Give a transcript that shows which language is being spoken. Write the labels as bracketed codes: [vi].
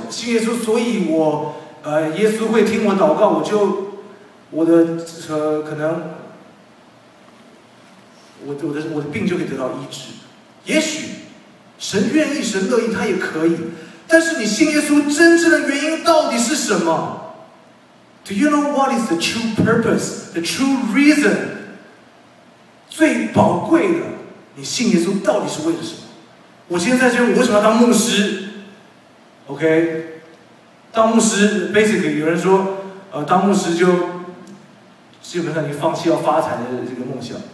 [zh] 信耶稣，所以我耶稣会听我祷告，我的病就可以得到医治。也许神愿意，神乐意，他也可以。但是你信耶稣真正的原因到底是什么？ [en] Do you know what is the true purpose, the true reason? [zh] 最宝贵的，你信耶稣到底是为了什么？我现在就为什么要当牧师？OK， 当牧师 basically 有人说，当牧师就基本上你放弃要发财的这个梦想。